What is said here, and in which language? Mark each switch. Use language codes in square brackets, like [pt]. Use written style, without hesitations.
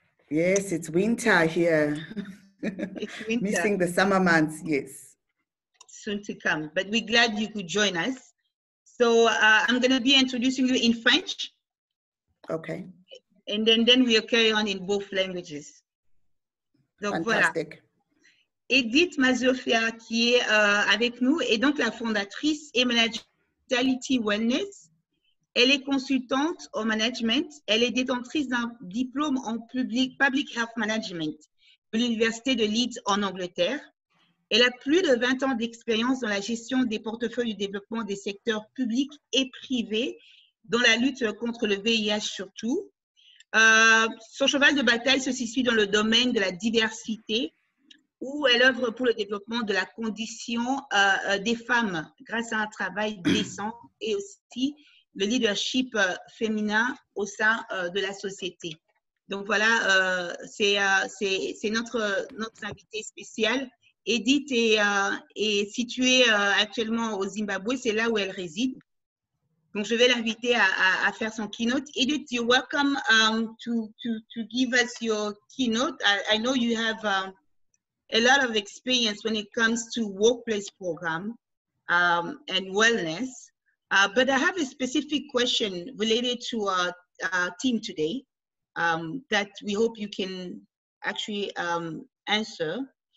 [en] Yes, it's winter here. It's winter. Missing the summer months, yes. Soon to come, but we're glad you could join us. So I'm going to be introducing you in French. Okay. And then we'll carry on in both languages. [fr] Donc, [en] fantastic. [fr] Voilà. Edith Maziofa qui est avec nous est donc la fondatrice et Managality Wellness. Elle est consultante au management. Elle est détentrice d'un diplôme en Public Health Management de l'Université de Leeds en Angleterre. Elle a plus de 20 ans d'expérience dans la gestion des portefeuilles du développement des secteurs publics et privés dans la lutte contre le VIH surtout. Son cheval de bataille se situe dans le domaine de la diversité où elle œuvre pour le développement de la condition des femmes grâce à un travail décent et aussi le leadership féminin au sein de la société. Donc voilà, c'est notre invitée spéciale. Edith est située actuellement au Zimbabwe, c'est là où elle réside. Donc je vais l'inviter à faire son keynote. [en] Edith, you're welcome to give us your keynote. I know you have a lot of experience when it comes to workplace program and wellness. But I have a specific question related to our team today that we hope you can actually answer.